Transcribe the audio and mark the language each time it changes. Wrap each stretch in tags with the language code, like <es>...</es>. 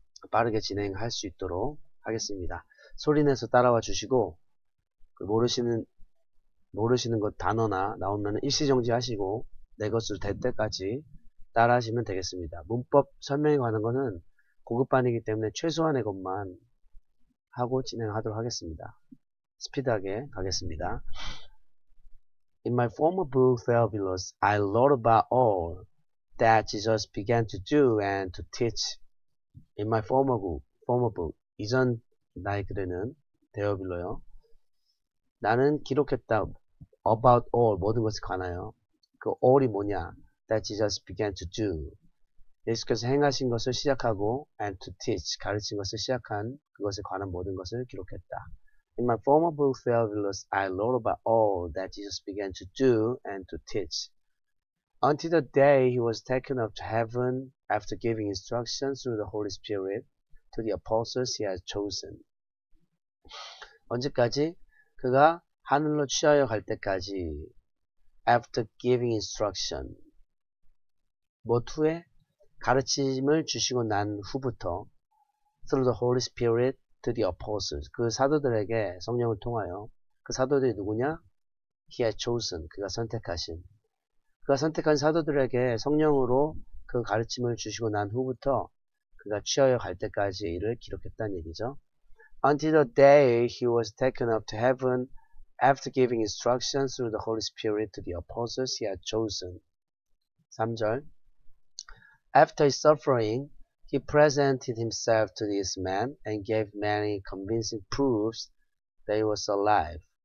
<ko>빠르게 진행할 수 있도록 하겠습니다. 소리내서 따라와 주시고 모르시는 것 단어나 나오면 일시정지 하시고 내 것을 될 때까지 따라 하시면 되겠습니다. 문법 설명에 관한 것은 고급반이기 때문에 최소한의 것만 하고 진행하도록 하겠습니다. 스피드하게 가겠습니다.</ko> <en>In my former book, Theophilus, I wrote about all that Jesus began to do and to teach. In my former book,</en> <ko>이전 나의 글에는 데오빌로요. 나는 기록했다.</ko> <en>About all,</en> <ko>모든 것에 관하여. 그 all이 뭐냐?</ko> <en>That Jesus began to do.</en> <ko>예수께서 행하신 것을 시작하고</ko> <en>and to teach,</en> <ko>가르친 것을 시작한 그것에 관한 모든 것을 기록했다.</ko> <en>In my former book, Theophilus, I wrote about all that Jesus began to do and to teach. Until the day he was taken up to heaven after giving instructions through the Holy Spirit to the apostles he had chosen.</en> <ko>언제까지? 그가 하늘로 취하여 갈 때까지.</ko> <en>After giving instruction.</en> <ko>무엇 후에? 가르침을 주시고 난 후부터.</ko> <en>Through the Holy Spirit to the apostles.</en> <ko>그 사도들에게 성령을 통하여. 그 사도들이 누구냐?</ko> <en>He had chosen.</en> <ko>그가 선택하신. 그가 선택한 사도들에게 성령으로 그 가르침을 주시고 난 후부터 그가 취하여 갈 때까지 일을 기록했다는 얘기죠.</ko> <en>Until the day he was taken up to heaven after giving instructions through the Holy Spirit to the apostles he had chosen.</en> <ko>3절.</ko> <en>After his suffering, he presented himself to these men and gave many convincing proofs that he was alive.</en>